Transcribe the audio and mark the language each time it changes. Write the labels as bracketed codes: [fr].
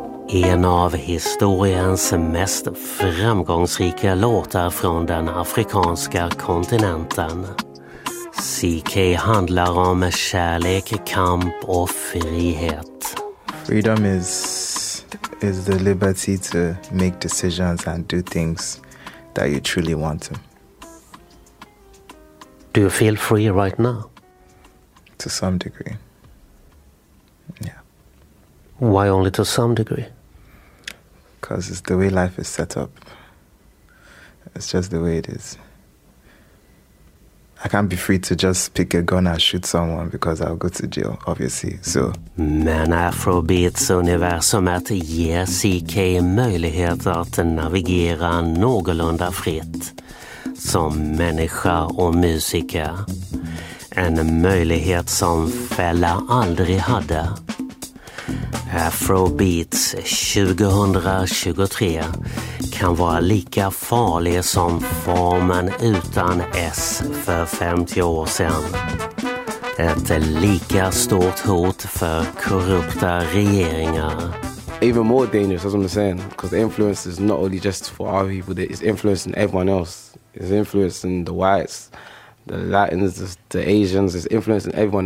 [sv] En av historiens mest framgångsrika låtar från den afrikanska kontinenten. CK handlar om kärlek, kamp och frihet. [en] Freedom is the liberty to make decisions and do things that you truly want to. Do you feel free right now? To some degree. Why only to some degree? Because it's the way life is set up. It's just the way it is. I can't be free to just pick a gun and shoot someone because I'll go to jail, obviously. So. [sv] Men Afrobeats universum att ge CK möjlighet att navigera någorlunda fritt som människa och musiker. En möjlighet som Fella aldrig hade. Afrobeats 2023 kan vara lika farlig som formen utan S för 50 år sedan. Ett lika stort hot för korrupta regeringar. [en] Even more dangerous, as I'm saying, because the influence is not only just for our people, it's influencing everyone else. It's influencing the whites, the Latins, the Asians, it's influencing everyone.